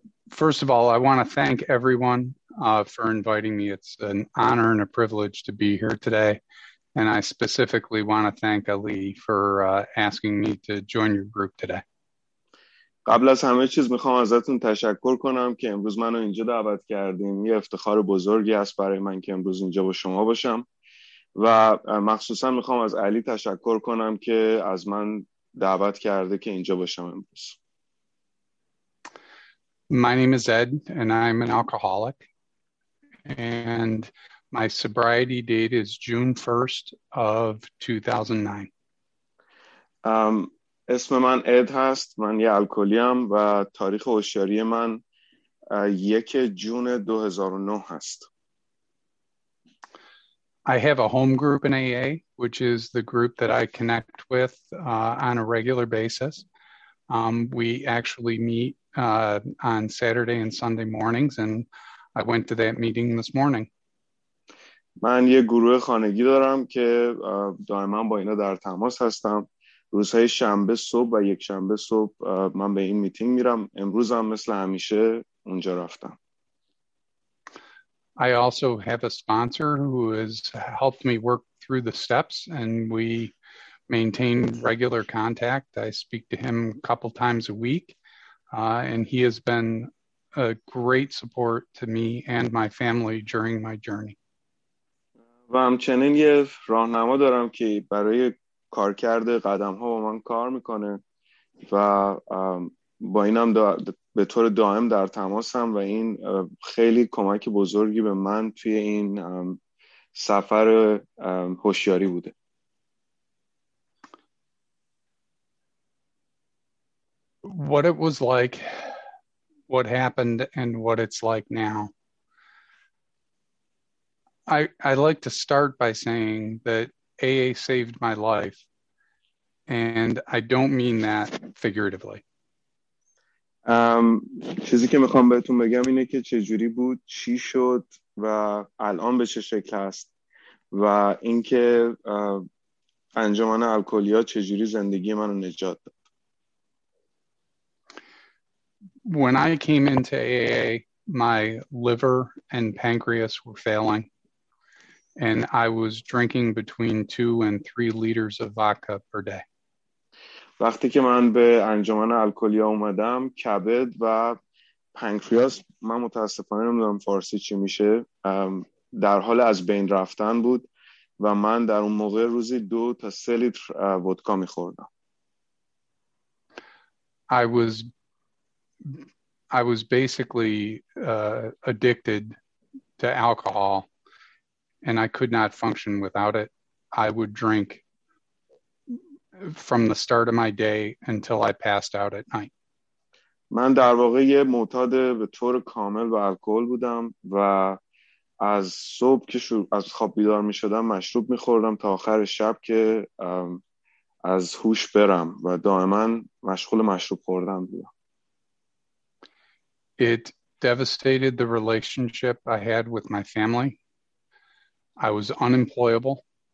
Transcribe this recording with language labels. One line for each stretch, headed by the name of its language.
English: First of all, I want to thank everyone for inviting me. It's an honor and a privilege to be here today. And I specifically want to thank Ali for asking me to join your group today.
Persian: قبل از همه چیز میخوام ازتون تشکر کنم که امروز منو اینجا دعوت کردین. یه افتخار بزرگی است برای من که امروز اینجا با شما باشم و مخصوصا میخوام از علی تشکر کنم که از من دعوت کرده که اینجا باشم امروز.
English: My name is Ed and I'm an alcoholic and my sobriety date is June 1st of 2009.
Persian: اسم من اد هست. من یه الکلی ام و تاریخ هوشیاری من 1 جون 2009 هست.
English: I have a home group in AA, which is the group that I connect with on a regular basis. We actually meet on Saturday and Sunday mornings, and I went to that meeting this morning.
Persian: من یه گروه خانگی دارم که دائما با اینا در تماس هستم. روزهای شنبه صبح و یک شنبه صبح من به این میتینگ میرم. امروز هم مثل همیشه اونجا رفتم.
English: I also have a sponsor who has helped me work through the steps and we maintain regular contact. I speak to him a couple times a week and he has been a great support to me and my family during my journey.
Persian: و همچنین یه راهنما دارم که برای کار کرده قدم ها با من کار میکنه و با اینم به طور دائم در تماسم و این خیلی کمک بزرگی به من توی این سفر هوشیاری بوده.
English: What it was like, what happened, and what it's like now. I'd like to start by saying that AA saved my life, and I don't mean that figuratively.
Persian: چیزی که میخوام بهتون بگم اینه که چه جوری بود، چی شد و الان به چه شکل است و اینکه انجمن الکلیا چه جوری زندگی منو نجات داد.
English: When I came into AA, my liver and pancreas were failing. And I was drinking between 2 and 3 liters of vodka per day.
Persian: وقتی که من به انجمن الکلی اومدم، کبد و پانکریاس، من متاسفانه نمیدونم فارسی چی میشه، در حال از بین رفتن بود و من در اون موقع روزی 2 تا 3 لیتر ودکا میخوردم.
English: I was basically addicted to alcohol. And I could not function without it. I would drink from the start of my day until I passed out at night.
Persian: من در واقع یه معتاد به طور کامل به الکل بودم و از صبح که از خواب بیدار می شدم مشروب می خوردم تا آخر شب که از هوش برم و دائما مشغول مشروب خوردم بودم.
English: It devastated the relationship I had with my family. I was unemployable.